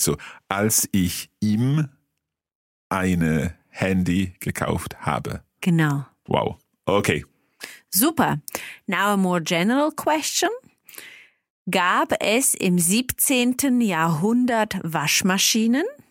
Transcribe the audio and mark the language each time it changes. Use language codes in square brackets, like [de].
[de] So, als ich ihm ein Handy gekauft habe. Genau. [en] Wow. Okay. [de] Super. [en] Now a more general question. [de] Gab es im 17. Jahrhundert Waschmaschinen?